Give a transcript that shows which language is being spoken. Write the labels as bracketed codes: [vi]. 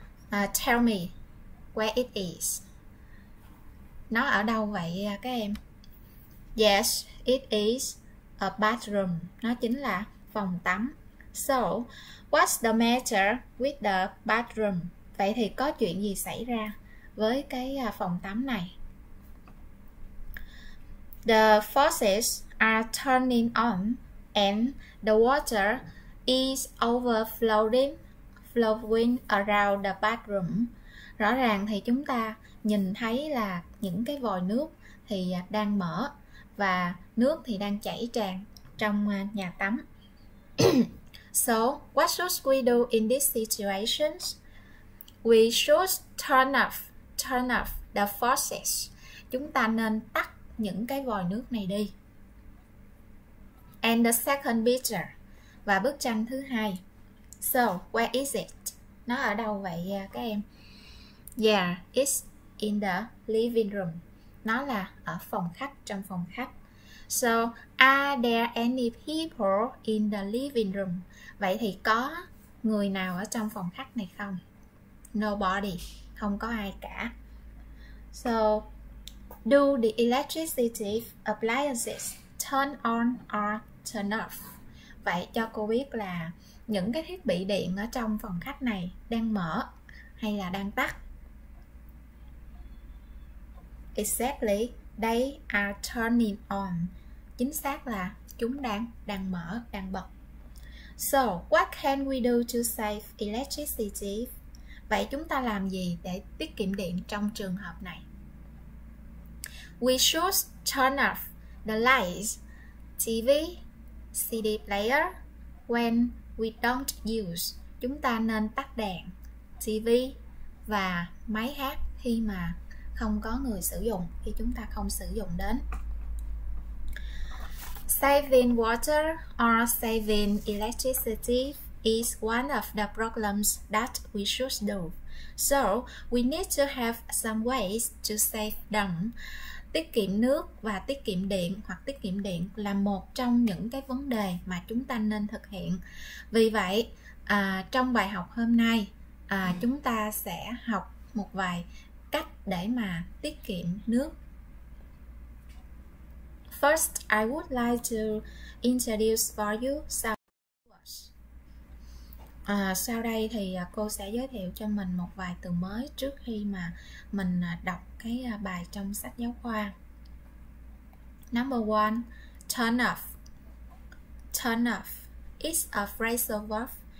[en] Tell me where it is. [vi] Nó ở đâu vậy các em? [en] Yes, it is a bathroom. [vi] Nó chính là phòng tắm. [en] So, what's the matter with the bathroom? [vi] Vậy thì có chuyện gì xảy ra với cái phòng tắm này? [en] The faucets are turning on and the water is overflowing around the bathroom. [vi] Rõ ràng thì chúng ta nhìn thấy là những cái vòi nước thì đang mở và nước thì đang chảy tràn trong nhà tắm. [en] So, what should we do in this situation? We should turn off the faucets. [vi] Chúng ta nên tắt những cái vòi nước này đi. [en] And the second picture. [vi] Và bức tranh thứ hai. [en] So, where is it? [vi] Nó ở đâu vậy các em? [en] Yeah, it's in the living room. [vi] Nó là ở phòng khách, trong phòng khách. [en] So, are there any people in the living room? [vi] Vậy thì có người nào ở trong phòng khách này không? [en] Nobody. [vi] Không có ai cả. [en] So, do the electricity appliances turn on or turn off? [vi] Vậy cho cô biết là những cái thiết bị điện ở trong phòng khách này đang mở hay là đang tắt? [en] Exactly, they are turning on. [vi] Chính xác là chúng đang mở, đang bật. [en] So, what can we do to save electricity? [vi] Vậy chúng ta làm gì để tiết kiệm điện trong trường hợp này? [en] We should turn off the lights, TV, CD player when we don't use [vi] chúng ta nên tắt đèn, TV và máy hát khi mà không có người sử dụng, khi chúng ta không sử dụng đến. [en] Saving water or saving electricity is one of the problems that we should do. So, we need to have some ways to save them. [vi] Tiết kiệm nước và tiết kiệm điện hoặc tiết kiệm điện là một trong những cái vấn đề mà chúng ta nên thực hiện. Vì vậy, trong bài học hôm nay, chúng ta sẽ học một vài cách để mà tiết kiệm nước. [en] First, I would like to introduce for you some words. [vi] Sau đây thì cô sẽ giới thiệu cho mình một vài từ mới trước khi mà mình đọc cái bài trong sách giáo khoa. [en] Number one, turn off. Turn off is a phrasal verb.